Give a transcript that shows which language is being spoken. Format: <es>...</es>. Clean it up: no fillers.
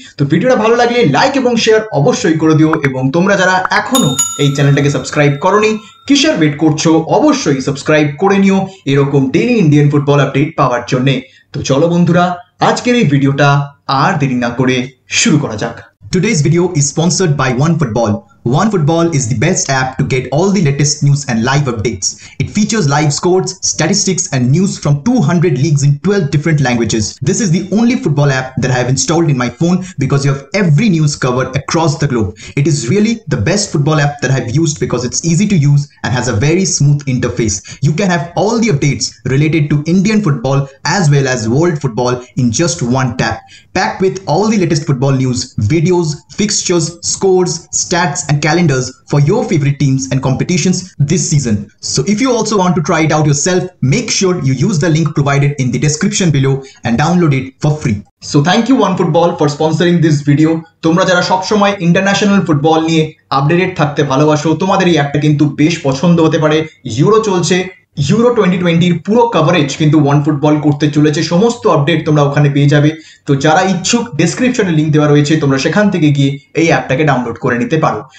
<bn>তো ভিডিওটা ভালো লাগলে লাইক এবং শেয়ার অবশ্যই করে দিও, এবং তোমরা যারা এখনো এই চ্যানেলটাকে সাবস্ক্রাইব করনি, কিসের ওয়েট করছো, অবশ্যই সাবস্ক্রাইব করে নিও এরকম ডেইলি ইন্ডিয়ান ফুটবল আপডেট পাওয়ার জন্য। তো চলো বন্ধুরা, আজকের এই ভিডিওটা আর দেরি না করে শুরু করা যাক।</bn> <en>Today's video is sponsored by One Football. One Football is the best app to get all the latest news and live updates. It features live scores, statistics and news from 200 leagues in 12 different languages. This is the only football app that I have installed in my phone because you have every news covered across the globe. It is really the best football app that I have used because it's easy to use and has a very smooth interface. You can have all the updates related to Indian football as well as world football in just one tap. Packed with all the latest football news, videos, fixtures, scores, stats and calendars for your favorite teams and competitions this season. So if you also want to try it out yourself, make sure you use the link provided in the description below and download it for free. So thank you One Football for sponsoring this video.</en> <bn>তোমরা যারা সবসময় international football নিয়ে updated থাকতে ভালোবাসো, তোমাদের এই অ্যাপটা কিন্তু বেশ পছন্দ হতে পারে। ইউরো চলছে, ইউরো 2020-র পুরো কভারেজ কিন্তু ওয়ান ফুটবল করতে চলেছে, সমস্ত আপডেট তোমরা ওখানে পেয়ে যাবে। তো যারা ইচ্ছুক ডেসক্রিপশনে লিংক দেওয়া রয়েছে, তোমরা সেখান থেকে গিয়ে এই অ্যাপটাকে ডাউনলোড করে নিতে পারো।</bn>